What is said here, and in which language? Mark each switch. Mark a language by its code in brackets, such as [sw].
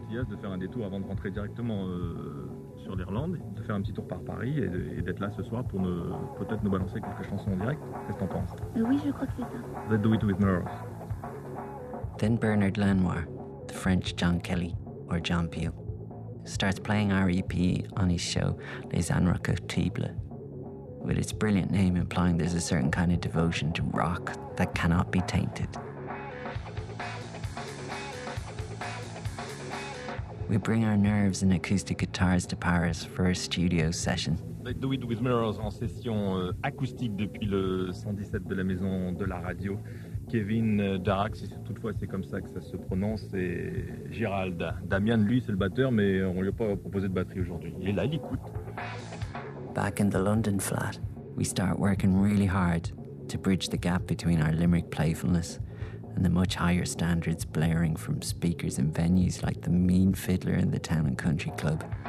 [fr] De faire un détour avant de rentrer directement sur l'Irlande, de faire un petit tour par Paris et d'être là ce soir pour peut-être nous balancer quelques chansons en direct. Qu'est-ce que t'en penses? Oui, je crois que c'est ça. [en] Let's do it with Mirrors. Then Bernard Lanois, the French John Kelly, or John Peel, starts playing our EP on his show Les Anrecoutibles, with its brilliant name implying there's a certain kind of devotion to rock that cannot be tainted. We bring our nerves and acoustic guitars to Paris for a studio session. [fr] Let's do it with Mirrors en session acoustique depuis le 117 de la maison de la radio. Kevin Darak, si toutefois c'est comme ça que ça se prononce, et Gérald Damian, lui c'est le batteur, mais on lui a pas proposé de batterie aujourd'hui. Et là, il écoute. [en] Back in the London flat, we start working really hard to bridge the gap between our Limerick playfulness and the much higher standards blaring from speakers in venues like the Mean Fiddler in the Town and Country Club.